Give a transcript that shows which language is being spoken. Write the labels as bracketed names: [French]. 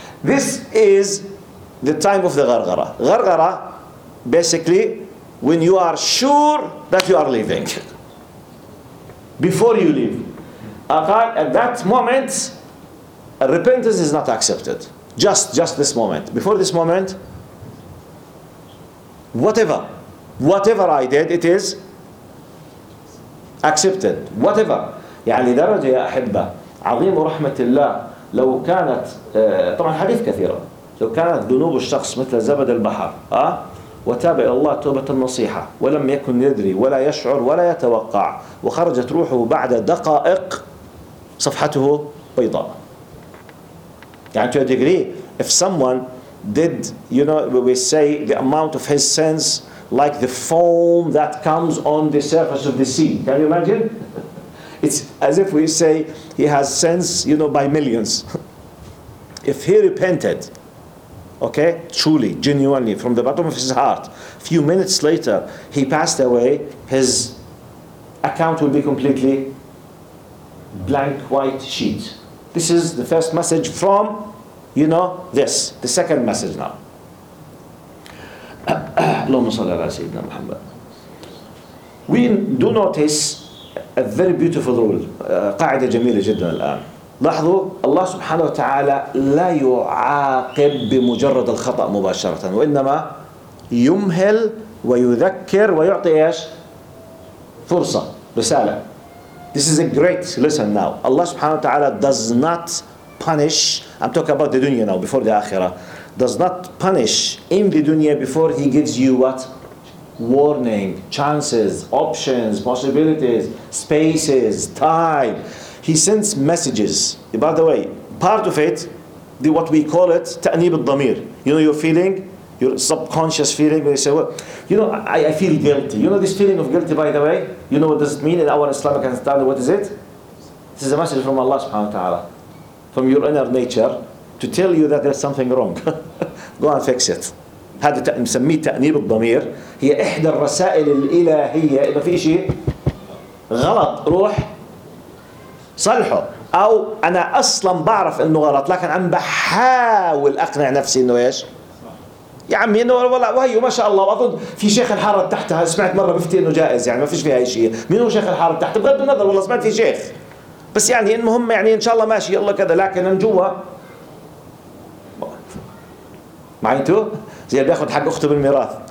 [English] This is the time of the Gharghara. Gharghara, basically, when you are sure that you are leaving. Before you leave. At that moment, repentance is not accepted. Just this moment. Before this moment, whatever I did, it is accepted. Whatever. [Arabic] يعني درجة يا أحبة عظيم ورحمة الله لو كانت طبعا حديث كثيرة لو كانت ذنوب الشخص مثل زبد البحر وتاب إلى الله توبة النصيحة ولم يكن يدري ولا يشعر ولا يتوقع وخرجت روحه بعد دقائق صفحته بيضاء. [English] يعني to a degree if someone did, you know, we say the amount of his sins like the foam that comes on the surface of the sea. Can you imagine? It's as if we say he has sins, you know, by millions. If he repented, okay, truly, genuinely, from the bottom of his heart, a few minutes later, he passed away, his account will be completely blank white sheet. This is the first message from, you know, this. The second message now. [Arabic] اللهم صل على سيدنا محمد. [English] We do notice a very beautiful rule. [Arabic] قاعدة جميلة جدا الآن. لاحظوا الله سبحانه وتعالى لا يعاقب بمجرد الخطأ مباشرة وإنما يمهل ويذكر ويعطي إيش فرصة رسالة. [English] This is a great lesson now. Allah سبحانه وتعالى does not punish. I'm talking about the dunya now before the akhirah. Does not punish in the dunya before he gives you what? Warning, chances, options, possibilities, spaces, time. He sends messages. By the way, part of it, the what we call it, ta'nib al-damir. You know your feeling, your subconscious feeling, when you say, well, you know, I feel guilty. You know this feeling of guilty, by the way? You know what does it mean in our Islamic understanding? What is it? This is a message from Allah subhanahu wa ta'ala, from your inner nature, to tell you that there's something wrong. Go and fix it. [Arabic] هذا نسميه تأنيب الضمير. هي إحدى الرسائل الإلهية. إذا في شيء غلط روح صلحه. أو أنا أصلاً بعرف إنه غلط لكن عم بحاول أقنع نفسي إنه إيش يا عمي انه والله وهي ما شاء الله اظن في شيخ الحارة تحتها، سمعت مره بفتي انه جائز يعني ما فيش فيها اي شيء، مين هو شيخ الحارة تحت؟ بغض النظر والله سمعت في شيخ، بس يعني المهم يعني ان شاء الله ماشي يلا كذا، لكن من جوا معي انتو زي اللي بياخذ حق اخته بالميراث.